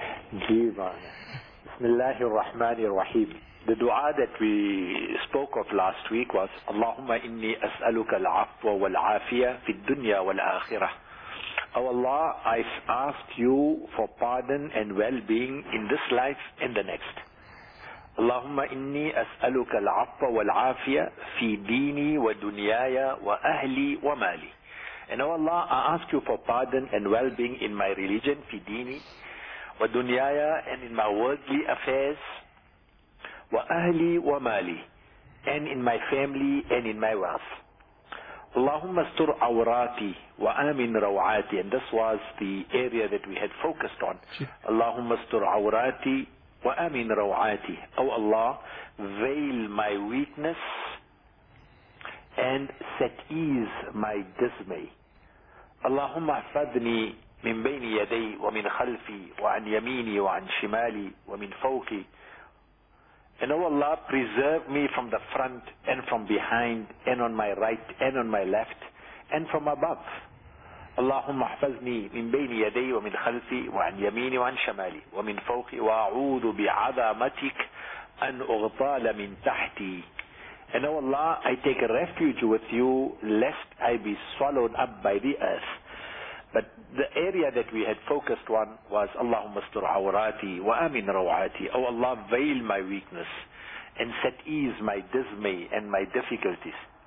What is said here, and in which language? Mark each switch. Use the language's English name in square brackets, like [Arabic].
[Arabic] بسم الله الرحمن الرحيم. [English] The dua that we spoke of last week was [Arabic] اللهم إني أسألك العفو والعافية في الدنيا والآخرة. [English] Oh Allah, I ask you for pardon and well-being in this life and the next. [Arabic] اللهم إني أسألك العفو والعافية في ديني ودنياي وأهلي ومالي. [English] And oh Allah, I ask you for pardon and well-being in my religion, [Arabic] في ديني وَدُنْيَايَا, [English] and in my worldly affairs, [Arabic] وَأَهْلِي وَمَالِي, [English] and in my family and in my wealth. [Arabic] اللهم استر عوراتي وآمن روعاتي, [English] and this was the area that we had focused on. [Arabic] اللهم استر عوراتي وآمن روعاتي. [English] Oh Allah, veil my weakness and set ease my dismay. [Arabic] اللهم احفظني من بين يدي ومن خلفي وعن يميني وعن شمالي ومن فوقي. [English] And oh Allah, preserve me from the front and from behind, and on my right and on my left, and from above. [Arabic] اللهم احفظني من بين يدي ومن خلفي وعن يميني وعن شمالي ومن فوقي, وأعوذ بعظمتك أن أغطال من تحتي. [English] And oh Allah, I take refuge with you lest I be swallowed up by the earth. But the area that we had focused on was [Arabic] Allahumma astur awrati wa amin rawati. [English] Oh Allah, veil my weakness and set ease my dismay and my difficulties.